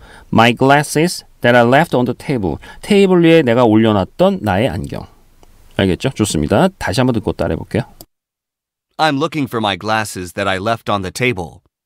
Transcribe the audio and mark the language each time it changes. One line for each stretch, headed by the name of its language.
English: My glasses that I left on the table.
Korean: 테이블 위에 내가 올려놨던 나의 안경. 알겠죠? 좋습니다. 다시 한번 듣고 따라해 볼게요.
English: I'm looking for my glasses that I left on the table.